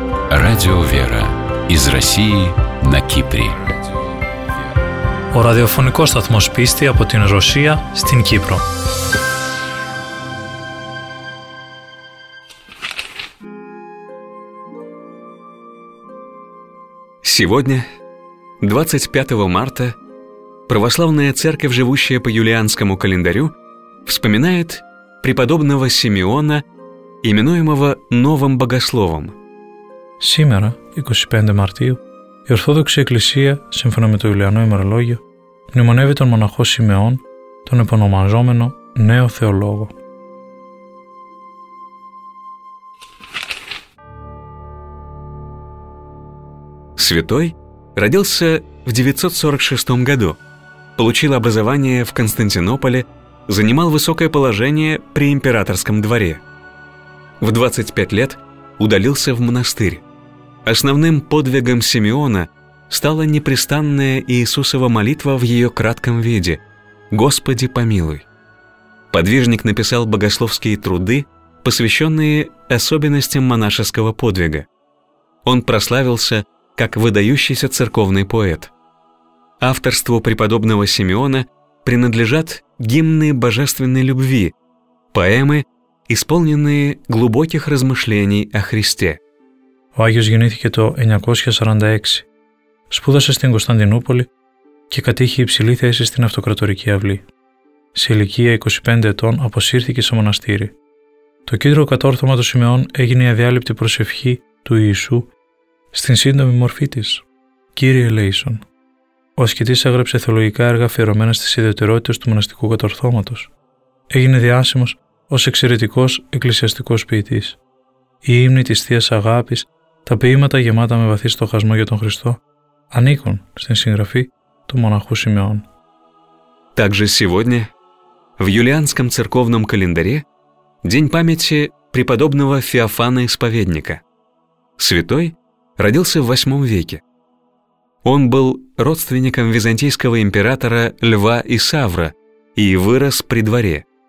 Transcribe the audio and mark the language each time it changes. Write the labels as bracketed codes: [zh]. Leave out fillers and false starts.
[ru] Радио «Вера» из России на Кипре. [el] Ο ραδιοφωνικός σταθμός πίστη από την Ρωσία στην Κύπρο. [ru] Сегодня, 25 марта, православная церковь, живущая по юлианскому календарю, вспоминает преподобного Симеона, именуемого Новым Богословом. Сегодня, 25 марта, [el] η Ορθόδοξη Εκκλησία, σύμφωνα με το Ιουλιανό ημερολόγιο, μνημονεύει τον μοναχό Σιμεών, τον επωνομαζόμενο Νέο Θεολόγο. [ru] Святой родился в 946 году, получил образование в Константинополе, занимал высокое положение при императорском дворе. В 25 лет удалился в монастырь. Основным подвигом Симеона стала непрестанная Иисусова молитва в ее кратком виде «Господи, помилуй». Подвижник написал богословские труды, посвященные особенностям монашеского подвига. Он прославился как выдающийся церковный поэт. Авторству преподобного Симеона принадлежат гимны божественной любви, поэмы, исполненные глубоких размышлений о Христе. [el] Ο Άγιος γεννήθηκε το 946, σπούδασε στην Κωνσταντινούπολη και κατήχε υψηλή θέση στην αυτοκρατορική αυλή. Σε ηλικία 25 ετών αποσύρθηκε σε μοναστήρι. Το κύτταρο κατόρθωμα του Σιμεών έγινε η αδιάλειπτη προσευχή του Ιησού στην σύντομη μορφή της «Κύριε ελέησον». Ο ασκητής έγραψε θεολογικά έργα αφιερωμένα στις ιδιαιτερότητες του μοναστικού κατορθώματος. Έγινε διάσημος ως εξαιρετικός εκκλησιαστικός ποιητής. Οι ύμνοι της Θείας Αγάπης, τα ποίηματα γεμάτα με βαθύ στοχασμό για τον Χριστό, ανήκουν στην συγγραφή του μοναχού Σιμεών. [ru] Также сегодня в юлианском церковном календаре день памяти преподобного Феофана Исповедника. Святой родился в 8 веке. Он был родственником византийского императора Льва Исавра и вырос при дворе.